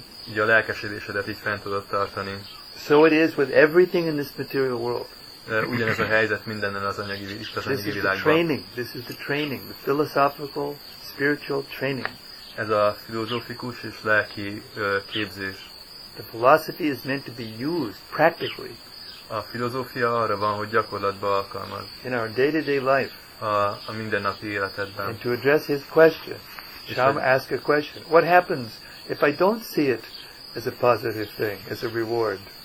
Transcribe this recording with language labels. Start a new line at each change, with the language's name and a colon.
Hungarian: így a lelkesedésedet így fent tudod tartani.
English: So it is with everything in this material world.
Hungarian: Ugyanez a helyzet mindennel az anyagi világban.
English: This is the training. This is the training, the philosophical, spiritual training.
Hungarian: Ez a filozófikus és lelki képzés.
English: The philosophy is meant to be used practically.
Hungarian: A filozófia arra van, hogy gyakorlatban alkalmaz.
English: In our day-to-day life.
Hungarian: A mindennapi életedben.
English: And to address his question. Shyam asked a question. What happens if I don't see it as a positive thing, as a reward?